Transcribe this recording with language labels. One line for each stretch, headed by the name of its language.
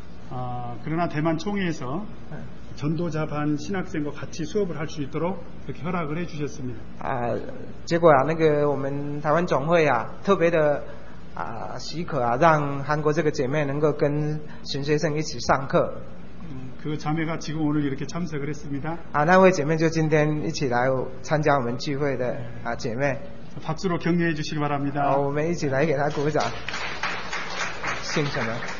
Korean: 아그러나대만총회에서전도자반신학생과같이수업을할수있도록그렇게허락을해주셨습니다
Chinese: 아结果啊那个我们台湾总会啊特别的啊许可啊让韩国这个姐妹能够跟神学生一起上课
Korean: 그자매가지금오늘이렇게참석을했습니다
Chinese: 아那位姐妹就今天一起来参加我们聚会的啊姐妹
Korean: 박수로격려해주시기바랍니다
Chinese: 아我们一起来给她鼓掌谢谢们